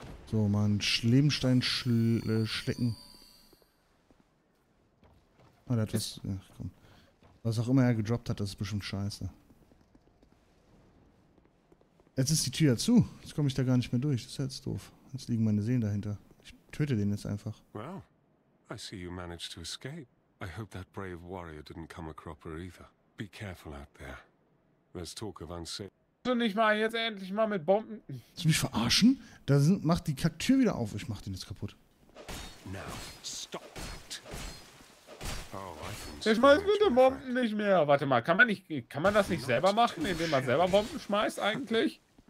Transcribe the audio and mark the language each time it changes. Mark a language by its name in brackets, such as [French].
[German] So, mal einen Lebenstein schlecken. Oh, der hat was. Ach komm. Was auch immer er gedroppt hat, das ist bestimmt scheiße. Jetzt ist die Tür ja zu. Jetzt komme ich da gar nicht mehr durch. Das ist jetzt doof. Jetzt liegen meine Seelen dahinter. Ich töte den jetzt einfach. [English] Well, I see you managed to escape. I hope that brave warrior didn't come a cropper either. Be careful out there. There's talk of unsafe. [German] Kannst du nicht mal jetzt endlich mal mit Bomben. Willst du mich verarschen? Da sind, macht die Kacktür wieder auf. Ich mach den jetzt kaputt. [English] Now, stop that. Oh, I can. [German] Ich schmeiß bitte Bomben nicht mehr. Warte mal, kann man das nicht selber machen, indem man selber Bomben schmeißt eigentlich?